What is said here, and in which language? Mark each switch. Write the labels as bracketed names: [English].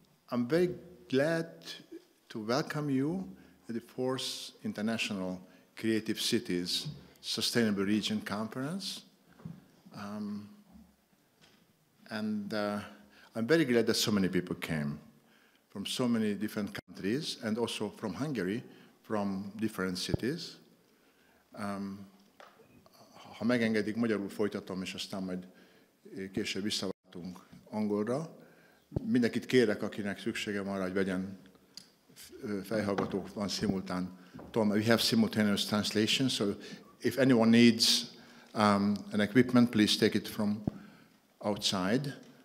[English] I'm very glad to welcome you at the 4th International Creative Cities Sustainable Region Conference. I'm very glad that so many people came from so many different countries and also from Hungary, from different cities. [Hungarian] Ha megengedik, magyarul folytatom, és aztán majd később visszaváltunk angolra. Mindenkit kérek, akinek szüksége van arra, hogy vegyen fejhallgatók van szimultán. [English] Tom, we have simultaneous translation, so if anyone needs an equipment, please take it from outside.